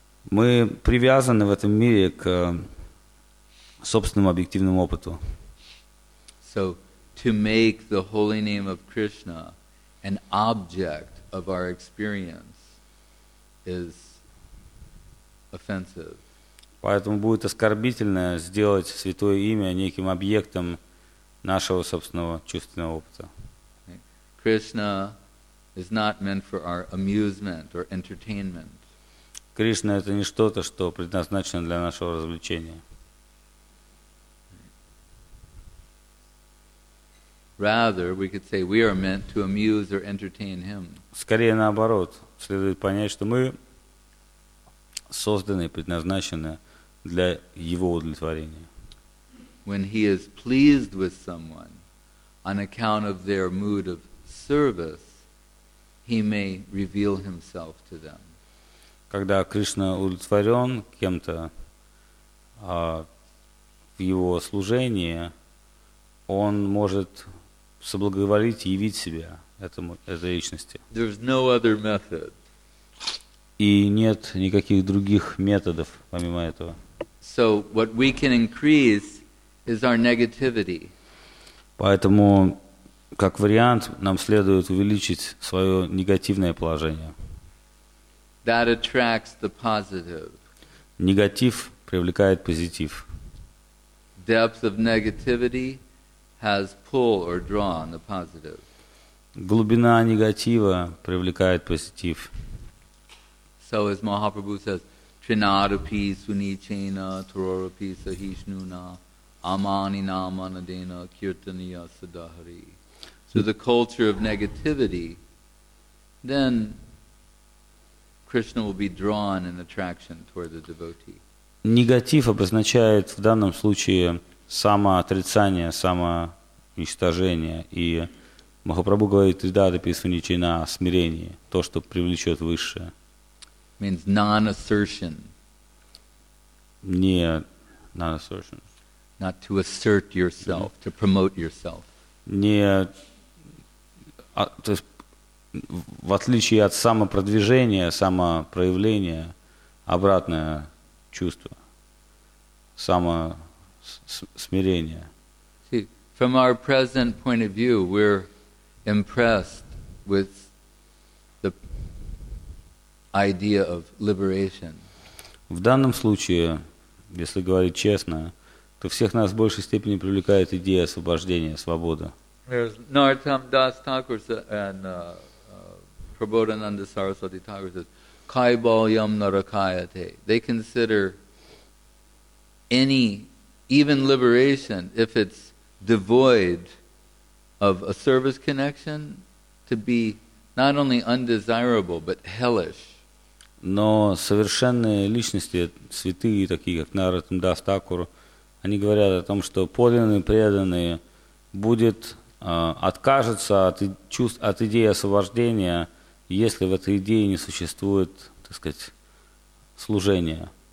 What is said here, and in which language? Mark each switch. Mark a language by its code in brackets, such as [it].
[ru] Мы привязаны в этом мире к собственному объективному опыту. [en] So, to make the holy name of Krishna an object of our experience is offensive. [ru] Поэтому будет оскорбительно сделать святое имя неким объектом нашего собственного чувственного опыта. [en] Krishna is not meant for our amusement or entertainment. [ru] Кришна — это не что-то, что предназначено для нашего развлечения. [en] Rather, we could say we are meant to amuse or entertain him. [ru] Скорее наоборот, следует понять, что мы созданы, предназначены для его удовлетворения. [en] When he is pleased with someone on account of their mood of service, he may reveal himself to them. [ru] Когда Кришна удовлетворен кем-то в его служении, он может соблаговолить и явить себя этой личности. [en] There's no other method. [ru] И нет никаких других методов, помимо этого. [en] So what we can increase is our negativity. [ru] Поэтому, как вариант, нам следует увеличить свое негативное положение. [en] That attracts the positive. [ru] Негатив привлекает позитив. [en] Depth of negativity has pull or draw on the positive. [ru] Глубина негатива привлекает позитив. [en] So as Mahaprabhu says, [sa] Trinadupi sunichena tororupi sahishnuna amani namanadena kirtaniya sadahari. [en] So the culture of negativity, then Krishna will be drawn in attraction toward the devotee. [ru] Негатив обозначает в данном случае самоотрицание, самоуничтожение. И Махапрабху говорит, [sa] Трінадупі сунічена, [ru] смирение, то, что привлечет высшее. [en] Means non-assertion. Non-assertion. Not to assert yourself, to promote yourself. [ru] То есть, в отличие от самопродвижения, самопроявления, обратное чувство, самосмирение. [en] See, from our present point of view, we're impressed with idea of liberation. [ru] В данном случае, если говорить честно, то всех нас в большей степени привлекает идея освобождения, свобода. [en] There's Nartam Das Thakur and Prabodhananda Saraswati Thakur says, [sa] Kaibalyam Narakayate. [en] They consider any, even liberation, if it's devoid of a service connection, to be not only undesirable, but hellish. [ru] Но совершенные личности, святые, такие как Нарада Дас Такур, они говорят о том, что подлинный преданный будет откажется от идеи освобождения, если в этой идее не существует, так сказать, служения.